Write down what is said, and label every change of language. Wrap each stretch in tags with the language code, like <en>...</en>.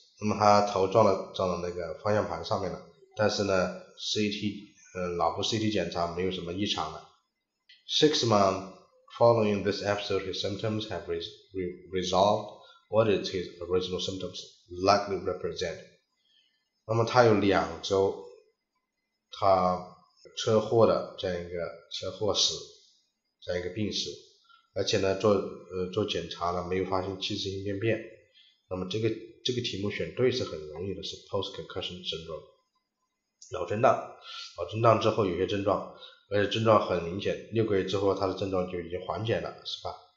<zh>那么他头撞到那个方向盘上面了，但是呢 CT 检查没有什么异常的。</zh> <en>6 months following this episode, his symptoms have resolved. What did his original symptoms likely represent?</en> <zh>那么他有两周他车祸的这样一个车祸史，这样一个病史，而且呢做检查呢没有发现器质性病变。那么这个题目选对是很容易的，是 post concussion syndrome 脑震荡之后有些症状，而且症状很明显，六个月之后他的症状就已经缓解了，是吧？</zh>